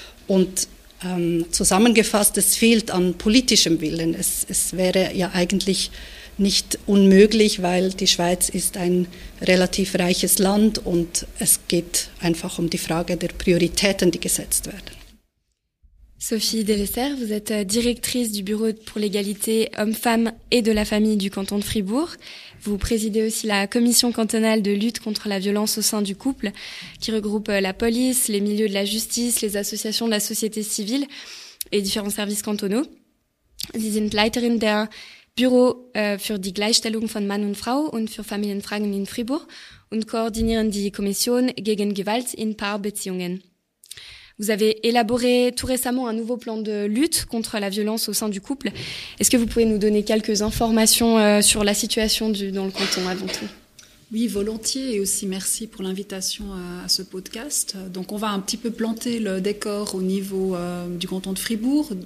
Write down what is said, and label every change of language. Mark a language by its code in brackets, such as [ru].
[de] Und zusammengefasst, es fehlt an politischem Willen. Es wäre ja eigentlich nicht unmöglich, weil die Schweiz ist ein relativ reiches Land und es geht einfach um die Frage der Prioritäten, die gesetzt werden. [fr] Sophie Delesser, vous êtes directrice du Bureau pour l'égalité hommes-femmes et de la famille du canton de Fribourg. Vous présidez aussi la commission cantonale de lutte contre la violence au sein du couple, qui regroupe la police, les milieux de la justice, les associations de la société civile et différents services cantonaux. [de] Sie sind Leiterin der Büro für die Gleichstellung von Mann und Frau und für Familienfragen in Fribourg und koordinieren die Kommission gegen Gewalt in Paarbeziehungen. [fr] Vous avez élaboré tout récemment un nouveau plan de lutte contre la violence au sein du couple. Est-ce que vous pouvez nous donner quelques informations sur la situation dans le canton avant tout ? Oui, volontiers, et aussi merci pour l'invitation à ce podcast. Donc on va un petit peu planter le décor au niveau du canton de Fribourg.